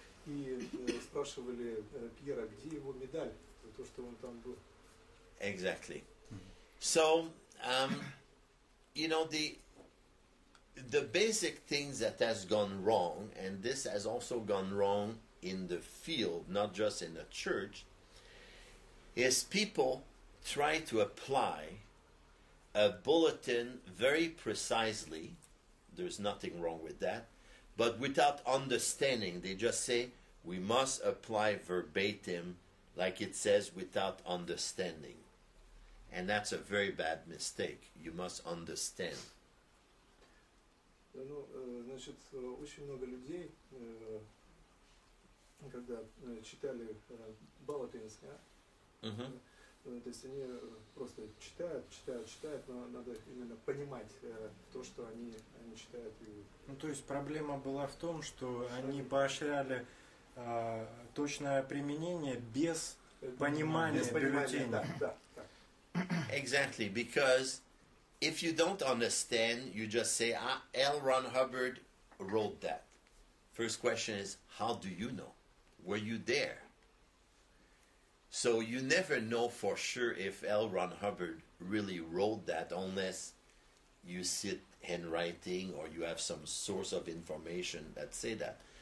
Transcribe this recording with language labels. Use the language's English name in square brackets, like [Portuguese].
[Russian] И спрашивали Пьера, где его медаль, за то, что он там был. [English] Exactly. So, you know, the basic things that has gone wrong, and this has also gone wrong in the field, not just in the church, is people try to apply a bulletin very precisely, there's nothing wrong with that, but without understanding, they just say, we must apply verbatim, like it says, without understanding. And that's a very bad mistake. You must understand. [Russian] Да, ну, значит, очень много людей, когда читали Балатинское, то есть они просто читают, но надо именно понимать то, что они читают. Ну, то есть проблема была в том, что они поощряли точное применение без понимания бюллетеня. Да, да. [English] Exactly, because if you don't understand, you just say, L. Ron Hubbard wrote that. First question is, how do you know? Were you there? So you never know for sure if L. Ron Hubbard really wrote that unless you sit handwriting or you have some source of information that say that.